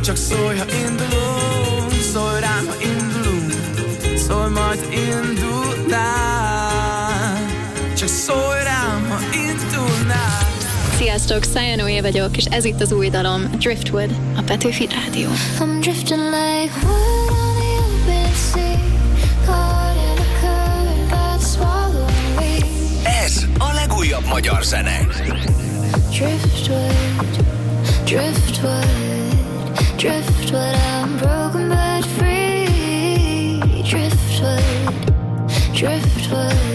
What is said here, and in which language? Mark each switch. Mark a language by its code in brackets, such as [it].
[hu] Csak szólj, ha indulunk, szólj rám, ha indulunk. Szólj majd, ha indulnál. Csak szólj rám, ha indulnál. Sziasztok, Szia Noé vagyok, és ez itt az új dalom, Driftwood, a Petőfi Rádió. [en] I'm drifting like wood on the open sea, caught in a current that's swallowing me. [hu] Ez a legújabb magyar zene. [en] Driftwood, driftwood, driftwood, I'm broken but free. Driftwood, driftwood.